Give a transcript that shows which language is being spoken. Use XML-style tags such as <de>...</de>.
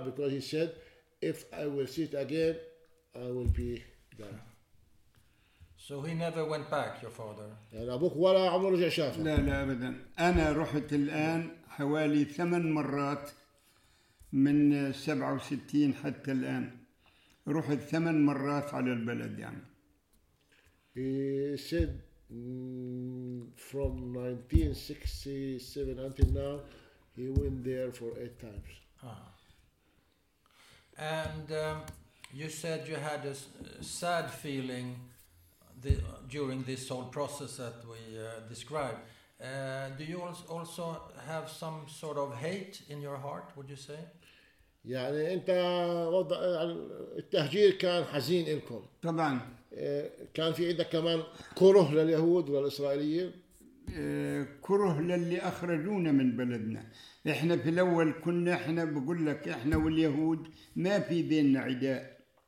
<en>because he said if I will see it again, I will be dead. So he never went back, your father.</en> <ar>لا أبوك ولا عمره رجع شافه. لا لا أبدا. أنا رحت الآن حوالي 8 مرات من 67 حتى الآن. رحت 8 مرات على البلد يعني.</ar> <en>He said from 1967 until now, he went there for 8 times. And you said you had a sad feeling during this whole process that we described. Do you also have some sort of hate in your heart, would you say?</en> <ar>يعني انت وضع التهجير كان حزين لكم. طبعا. كان في عندك كمان كره لليهود والاسرائيليين. كره للي اخرجونا من بلدنا. احنا في الاول كنا احنا بقول لك احنا واليهود ما في بيننا عداء.</ar>